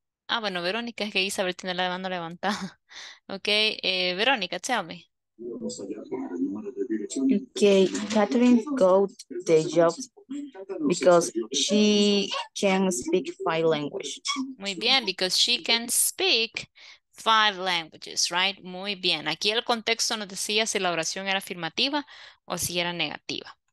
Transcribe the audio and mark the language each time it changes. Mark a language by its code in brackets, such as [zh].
[es] Ah, bueno, Verónica, es que Isabel tiene la mano levantada. [en] Okay. Verónica, tell me. Okay, Catherine got the job because she can speak five languages. [es] Muy bien, [en] because she can speak five languages, right? [es] Muy bien. Aquí el contexto nos decía si la oración era afirmativa o si era negativa.